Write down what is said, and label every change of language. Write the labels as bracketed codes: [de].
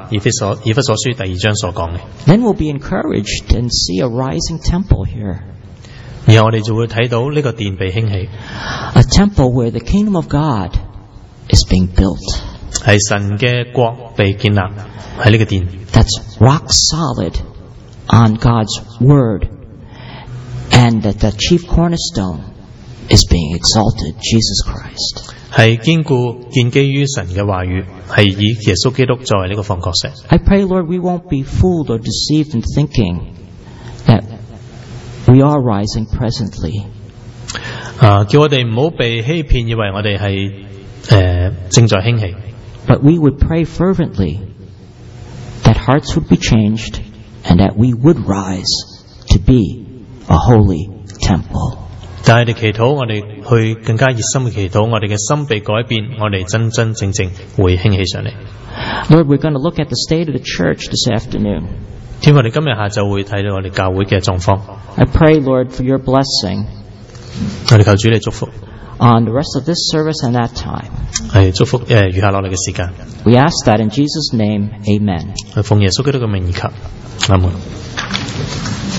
[zh] 天父，我们祈祷，我们会去慢慢的去再去咀嚼，去消化以弗所书第二章所讲的。 [en] Then we'll be encouraged and see a rising temple here. [zh] 然后我们就会看到这个殿被兴起。 [en] A temple where the kingdom of God is being built. [zh] 是神的国被建立在这个殿。 [en] That's rock solid on God's word. And that the chief cornerstone is being exalted, Jesus Christ. [zh] 是坚固建基于神的话语，是以耶稣基督作为这个方角石。 [en] I pray, Lord, we won't be fooled or deceived in thinking that we are rising presently. [zh] 叫我们不要被欺骗，以为我们是正在兴起。 [en] But we would pray fervently that hearts would be changed and that we would rise to be a holy temple. [zh] 但是我们祈祷，我们去更加热心的祈祷，我们的心被改变，我们真真正正会兴起上来。 [en] Lord, we're going to look at the state of the church this afternoon. [zh] 天父，我们今天下午会看到我们教会的状况。 [en] I pray, Lord, for your blessing. [zh] 我们求主你祝福。 [en] On the rest of this service and that time. [zh] 是祝福余下来的时间。 [en] We ask that in Jesus' name, amen. [zh] 奉耶稣基督的名义求，阿门。